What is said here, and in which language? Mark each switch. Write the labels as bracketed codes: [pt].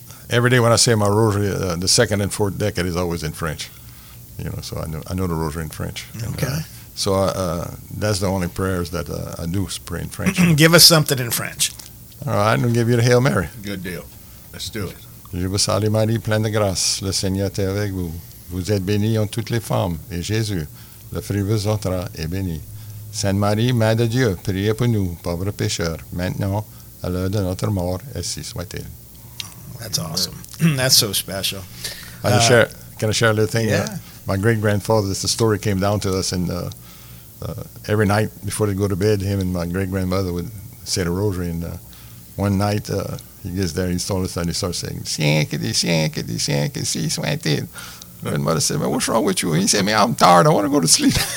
[en] every day when I say my rosary, the second and fourth decade is always in French. You know, so I know the rosary in French. Okay. That's the only prayers that I do pray in French. Give us something in French. All right, I'm going to give you the Hail Mary. Good deal. Let's do it. [fr] Je vous salue Marie, pleine de grâce. Le Seigneur est avec vous. Vous êtes bénie entre toutes les femmes. Et Jésus, le fruit de vos entrailles, est béni. Sainte Marie, Mère de Dieu, priez pour nous, pauvres pécheurs, maintenant, à l'heure de notre mort, ainsi soit-il. [en] That's awesome. That's so special. Can I share a little thing? Yeah. My great-grandfather, the story came down to us, and every night before they go to bed, him and my great-grandmother would say the rosary, and one night he gets there, he's all of a sudden, he starts saying, Sienkety, grandmother said, "Well, what's wrong with you?" He said, "Man, I'm tired, I want to go to sleep."